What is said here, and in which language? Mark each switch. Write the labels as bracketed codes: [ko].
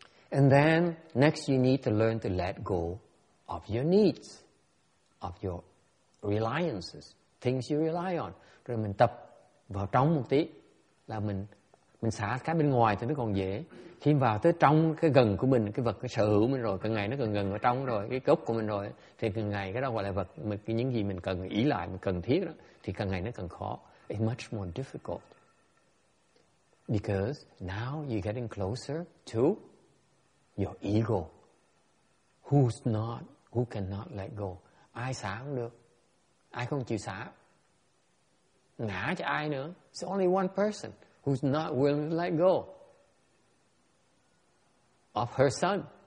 [en] And then, next you need to learn to let go of your needs, of your reliances, things you rely on. [vi] Rồi mình tập vào trong một tí, là mình xả cái bên ngoài thì nó còn dễ. Khi vào tới trong cái gần của mình, cái vật cái sở hữu mình rồi, càng ngày nó càng gần vào trong rồi, cái gốc của mình rồi, thì càng ngày cái đó gọi là vật, những gì mình cần, ý lại, mình cần thiết đó, thì càng ngày nó càng khó. [en] It's much more difficult. Because now you're getting closer to your ego. Who cannot let go? [vi] Ai xả không được? Ai không chịu xả? Ngã cho ai nữa? [en] It's only one person who's not willing to let go of her son.